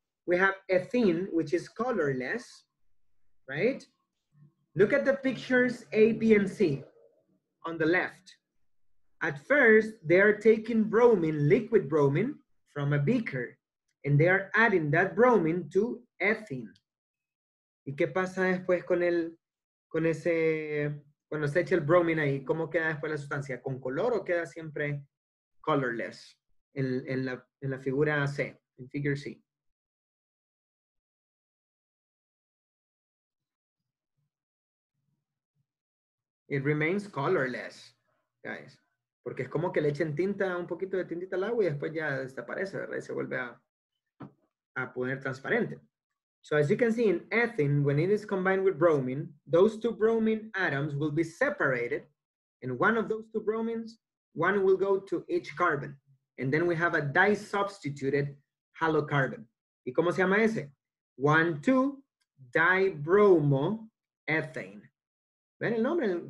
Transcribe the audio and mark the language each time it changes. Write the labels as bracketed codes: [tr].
[en] We have ethene, which is colorless, right? Look at the pictures A, B, and C on the left. At first, they are taking bromine, liquid bromine, from a beaker, and they are adding that bromine to ethene. [es] ¿Y qué pasa después con el, con ese, cuando se echa el bromine ahí? ¿Cómo queda después la sustancia? ¿Con color o queda siempre colorless en la figura C, [en] en figure C? It remains colorless, guys. [es] Porque es como que le echen tinta, un poquito de tintita al agua y después ya desaparece, ¿verdad? Y se vuelve a poner transparente. [en] So as you can see in ethene, when it is combined with bromine, those two bromine atoms will be separated. And one of those two bromines, one will go to each carbon. And then we have a disubstituted halocarbon. [es] ¿Y cómo se llama ese? 1,2-dibromoethane. ¿Ven el nombre?